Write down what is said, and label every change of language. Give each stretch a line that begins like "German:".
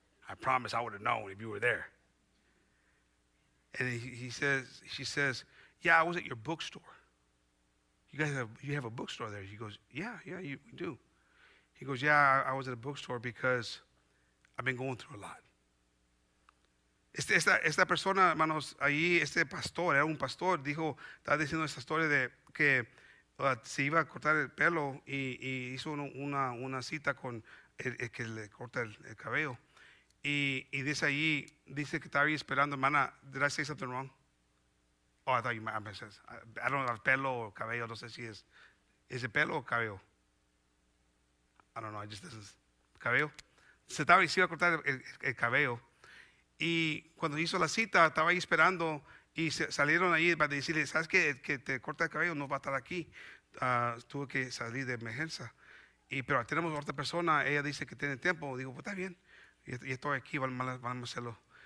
English: I promise I would have known if you were there. And she says, yeah, I was at your bookstore. You have a bookstore there. He goes, yeah, you do. He goes, yeah, I was at a bookstore because I've been going through a lot.
Spanish: Esta persona, hermanos, ahí, este pastor, era un pastor, dijo, estaba diciendo esta historia de que se iba a cortar el pelo y hizo una cita con el que le corta el cabello. Y dice ahí, dice que estaba ahí esperando, hermana,
English: did I say something wrong? Oh, I thought you might have said, I don't know,
Spanish: pelo o cabello, no sé si es, ¿es el pelo o cabello?
English: I don't know, I just, this is, cabello.
Spanish: Se iba a cortar el cabello. Y cuando hizo la cita, estaba ahí esperando y salieron ahí para decirle, ¿sabes qué? El que te corta el cabello no va a estar aquí. Tuve que salir de emergencia. Pero tenemos otra persona, ella dice que tiene tiempo. Digo, pues está bien, yo estoy aquí, vamos a hacerlo.